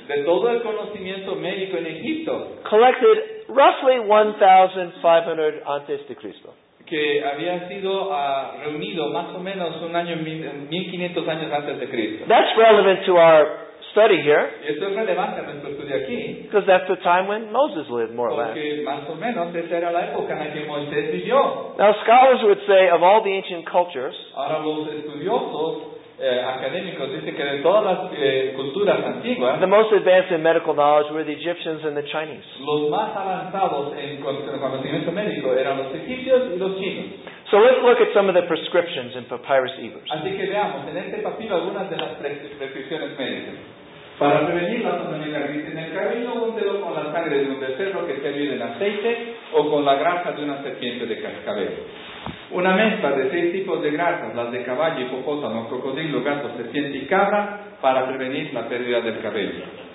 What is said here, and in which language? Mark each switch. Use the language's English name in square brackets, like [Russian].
[Spanish] de todo el conocimiento médico en Egipto, [English] collected roughly 1,500 [Spanish] antes de Cristo. Que había sido reunido más o menos un año 1,500 años antes de Cristo. [English] That's relevant to our study here. [Spanish] Y esto es relevante a nuestro estudio aquí. [English] Because that's the time when Moses lived, more or less. [Spanish] Porque más o menos esa era la época en la que Moisés vivió. [English] Now scholars would say of all the ancient cultures, [Spanish] ahora los estudiosos académicos dicen que de todas las culturas antiguas, [English] the most advanced in medical knowledge were the Egyptians and the Chinese. [Spanish] Los más avanzados en conocimiento médico eran los egipcios y los chinos. [English] So let's look at some of the prescriptions in Papyrus Ebers. [Spanish] Así que veamos en este papiro algunas de las prescripciones médicas. Para prevenir la tonalidad gris en el cabello, úntelo con la sangre de un becerro que se hierve en aceite o con la grasa de una serpiente de cascabel. Una mezcla de 6 tipos de grasas, las de caballo, hipopótamo, cocodrilo, gato, serpiente y cabra, para prevenir la pérdida del cabello.